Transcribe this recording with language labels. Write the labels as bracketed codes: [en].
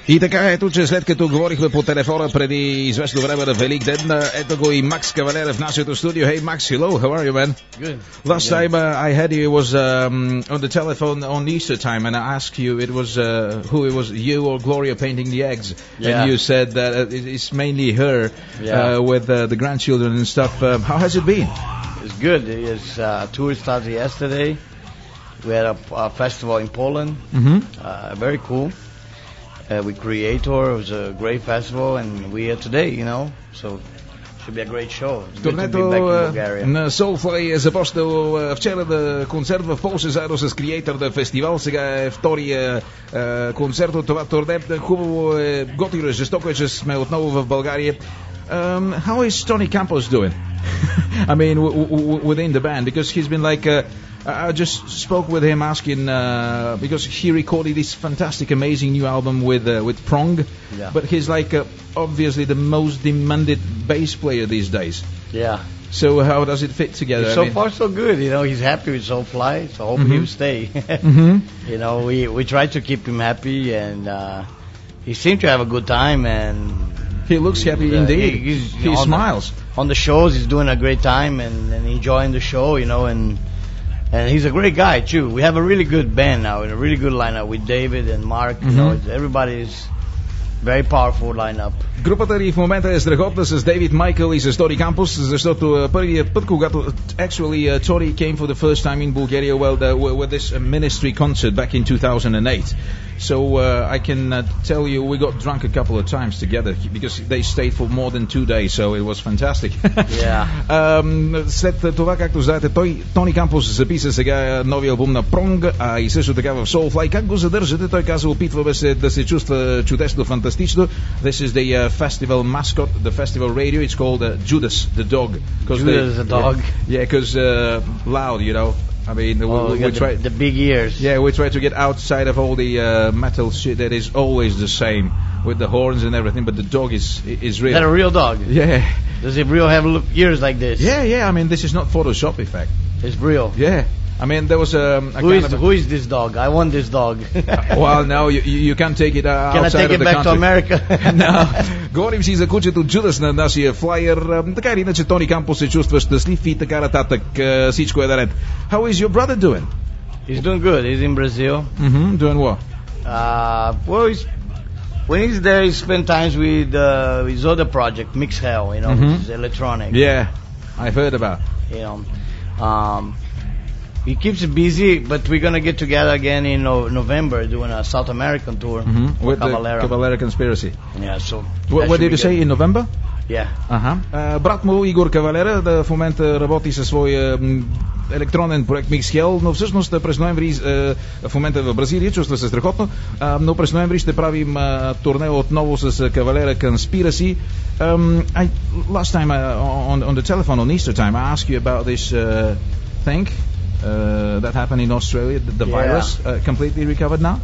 [bg] И така, ето че след като говорихме по телефона преди известно време на Велик ден, ето го и Макс Кавалера в нашето студио. [en] Hey Max, hello, how are you, man? Good. Last yeah. time I had you was on the telephone on Easter time and I asked you it was who it was, you or Gloria painting the eggs. Yeah. And you said that it's mainly her with the grandchildren and stuff. How has it been? It's good. It's tour started yesterday. We had a festival in Poland. Mm-hmm. Very cool. With Creator, it was a great festival, and we are today, you know, so should be a great show. It's good to be back in Bulgaria. [bg] На Soulfly е започнал вчера да концерт в Полша заедно с Creator на фестивал. Сега е втория концерт от това турне. Хубаво е, готино е, жестоко е, че сме отново в България. [en] How is Tony Campos doing? I mean, within the band, because he's been like... I just spoke with him asking, because he recorded this fantastic, amazing new album with Prong. Yeah. But he's like obviously the most demanded bass player these days. Yeah. So how does it fit together? So far so good. You know, he's happy with Soulfly, so I hope mm-hmm. he'll stay. mm-hmm. You know, we try to keep him happy and he seemed to have a good time and... He looks happy indeed. He smiles. On the shows, he's doing a great time and enjoying the show, you know, and... And he's a great guy too. We have a really good band now and a really good lineup with David and Mark. Mm-hmm. You know, everybody's very powerful lineup. [bg] Групата ни в момента е страхотна с Дейвид, Майкъл и с Тони Кампус, защото първият път, когато [en] actually Tori came for the first time in Bulgaria, well, with this ministry concert back in 2008. So I can tell you we got drunk a couple of times together because they stayed for more than 2 days, so it was fantastic. Yeah. [bg] След това, както знаете, Тони Кампус записа сега новия албум на Prong, а и също така в Soulfly. Как го задържате? Той каза, опитваме се да се чувства чудесно, фантастично. [en] This is the festival mascot, the festival radio. It's called Judas the dog. Judas the dog. Yeah, because loud, you know. I mean, we try the big ears. Yeah, we try to get outside of all the metal shit that is always the same with the horns and everything. But the dog is real. Is that a real dog? Yeah. Does it real have ears like this? Yeah. I mean, this is not Photoshop effect. It's real. Yeah. I mean, there was Who is this dog? I want this dog. Well, no, you can't take it outside of the country. Can I take it back country. To America? No. [bg] Говорим си за кучето Judas на нашия флайер. Така или иначе, Тони Кампус се чувства щастлив и така нататък. Всичко е наред. [en] How is your brother doing? He's doing good. He's in Brazil. Mm-hmm. Doing what? Well, when he's there, he spends time with his other project, Mix Hell, you know, mm-hmm. which is electronic. Yeah, I've heard about. You know, he keeps it busy, but we're going to get together again in November doing a South American tour mm-hmm. with Caballero. The Caballero Conspiracy. Yeah, so... What did you say, in November? Yeah. Uh-huh. [bg] Брат му, Игор Кавалера, в момента работи със своя електронен проект Mix Hell, но всъщност през ноември, в момента в Бразилия, чувства се страхотно, но през ноември ще правим турне отново с Кавалера Conspiracy. [en] Last time on the telephone, on Easter time, I asked you about this thing. That happened in Australia, the virus completely recovered now?